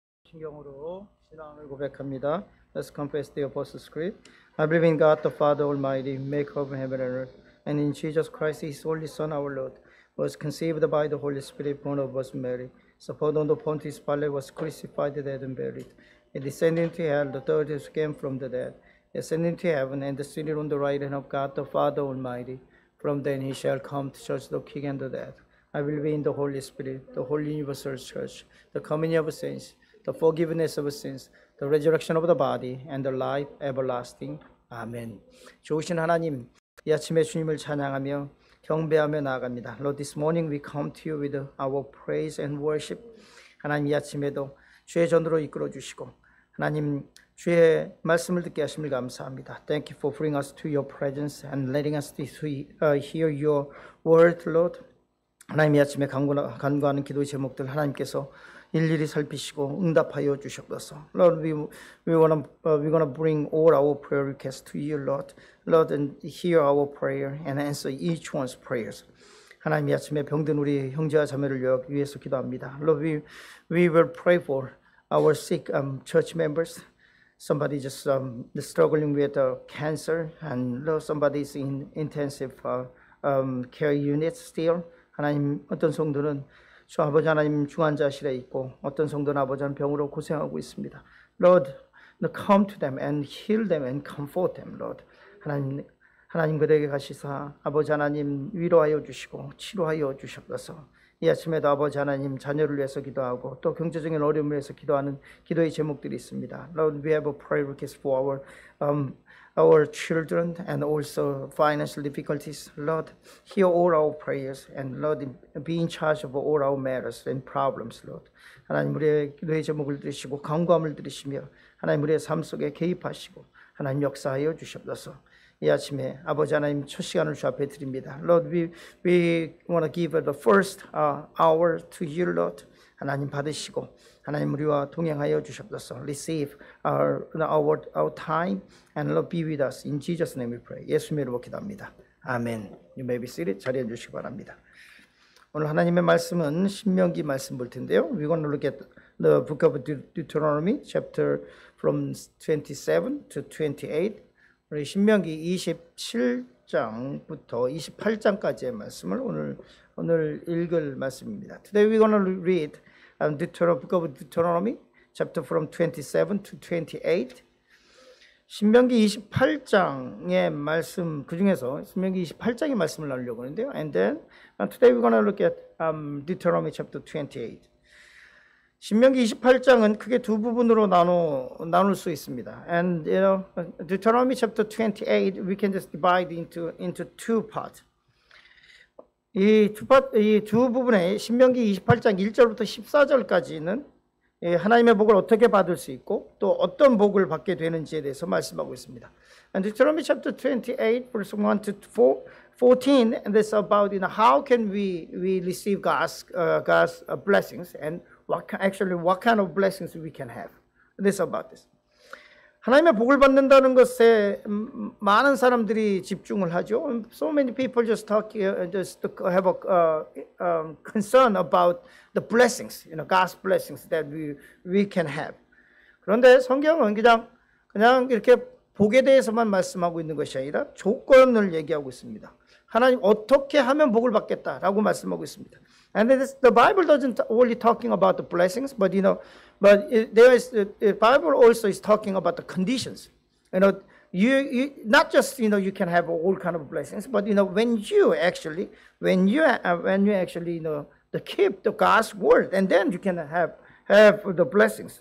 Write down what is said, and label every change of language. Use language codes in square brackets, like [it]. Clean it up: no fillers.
[ko] 성경으로 신앙을 고백합니다. [en] Let's confess the Apostles' Creed. I believe in God, the Father Almighty, maker of heaven and earth, and in Jesus Christ, His only Son, our Lord, was conceived by the Holy Spirit, born of Virgin Mary, suffered under Pontius Pilate, was crucified, dead, and buried. He descended into hell, the third day came from the dead. He ascended into heaven, and is seated on the right hand of God, the Father Almighty. From then He shall come to judge the quick and the dead. I believe in the Holy Spirit, the Holy Universal Church, the communion of saints, the forgiveness of sins, the resurrection of the body, and the life everlasting. Amen. [ko] 좋으신 하나님, 이 아침에 주님을 찬양하며 경배하며 나아갑니다. [en] Lord, this morning we come to you with our praise and worship. [ko] 하나님, 이 아침에도 주의 전으로 이끌어주시고 하나님, 주의 말씀을 듣게 하심을 감사합니다. [en] Thank you for bringing us to your presence and letting us hear your word, Lord. [ko] 하나님, 이 아침에 간구하는 기도 제목들 하나님께서 일일이 살피시고 응답하여 주셨소서. [en] Lord, we want to bring all our prayer requests to you, Lord. Lord, and hear our prayer and answer each one's prayers. [ko] 하나님, 이 아침에 병든 우리 형제와 자매를 위해서 기도합니다. [en] Lord, we will pray for our sick church members. Somebody just struggling with cancer, and Lord, somebody is in intensive care unit still. [ko] 하나님, 어떤 성도는 주 아버지 하나님 중환자실에 있고 어떤 성도는 아버지는 병으로 고생하고 있습니다. [en] Lord, come to them and heal them and comfort them, Lord. [ko] 하나님 그들에게 가시사 아버지 하나님 위로하여 주시고 치료하여 주셨소서. 이 아침에도 아버지 하나님 자녀를 위해서 기도하고 또 경제적인 어려움을 위해서 기도하는 기도의 제목들이 있습니다. [en] Lord, we have a prayer request for our children and also financial difficulties. Lord, hear all our prayers and Lord, be in charge of all our matters and problems, Lord. [ko] 하나님, 우리의 기도의 제목을 들으시고 간구함을 들으시며 하나님, 우리의 삶 속에 개입하시고 하나님 역사하여 주시옵소서. 이 아침에 아버지 하나님 첫 시간을 주 앞에 드립니다. [en] Lord, we want to give the first hour to you, Lord. [ko] 하나님 받으시고 하나님 우리와 동행하여 주셨소서. [en] Receive our time and Lord be with us. In Jesus' name we pray. [ko] 예수님의 이름으로 기도합니다. [en] 아멘. You may be seated. [ko] 자리해 주시기 바랍니다. 오늘 하나님의 말씀은 신명기 말씀 볼 텐데요. [en] We're going to look at the book of Deuteronomy chapter from 27 to 28. [ko] 우리 신명기 27장부터 28장까지의 말씀을 오늘 읽을 말씀입니다. [en] Today we're going to read Book of Deuteronomy, chapter from 27 to 28. [ko] 신명기 28장의 말씀, 그 중에서 신명기 28장의 말씀을 나누려고 하는데요. [en] And then today we're going to look at Deuteronomy chapter 28. [ko] 신명기 28장은 크게 두 부분으로 나눌 수 있습니다. [en] And you know, Deuteronomy chapter 28, we can just divide into two parts. [ko] 이 두 부분에 신명기 28장 1절부터 14절까지는 하나님의 복을 어떻게 받을 수 있고 또 어떤 복을 받게 되는지에 대해서 말씀하고 있습니다. [en] And Deuteronomy chapter 28, verse 1 to 14, and this is about you know, how can we receive God's blessings and what kind of blessings we can have. This is about this. [ko] 하나님의 복을 받는다는 것에 많은 사람들이 집중을 하죠. [en] So many people just have a concern about the blessings, you know, God's blessings that we can have. [ko] 그런데 성경은 그냥 이렇게 복에 대해서만 말씀하고 있는 것이 아니라 조건을 얘기하고 있습니다. 하나님 어떻게 하면 복을 받겠다라고 말씀하고 있습니다. [en] And this, the Bible doesn't only talking about the blessings, but you know, but the Bible also is talking about the conditions. You know, you not just you know you can have all kind of blessings, but you know when you actually you know the keep the God's word, and then you can have the blessings.